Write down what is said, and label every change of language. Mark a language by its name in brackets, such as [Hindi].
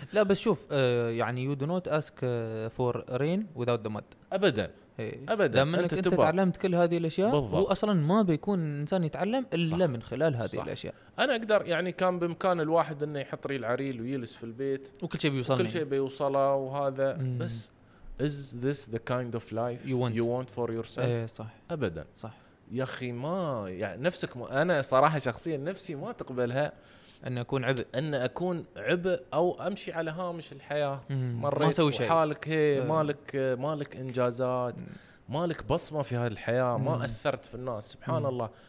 [Arabic] لا بس شوف يعني [English] you do not ask for rain without the mud [Arabic] ابدا ابدا. لما انت تعلمت كل هذه الاشياء هو اصلا ما بيكون انسان يتعلم الا من خلال هذه الاشياء. انا اقدر يعني كان بامكان الواحد انه يحط لي العريل ويجلس في البيت وكل شيء بيوصلني كل شيء بيوصله وهذا بس [English] Is this the kind of life you want for yourself? [Arabic] إيه صح. أبداً. صح. يا أخي ما يعني نفسك ما أنا صراحة شخصياً نفسي ما تقبلها أن أكون عبء أو أمشي على هامش الحياة. مريت ما سوي شيء. حالك هي مالك إنجازات مالك بصمة في هذه الحياة ما أثرت في الناس سبحان الله.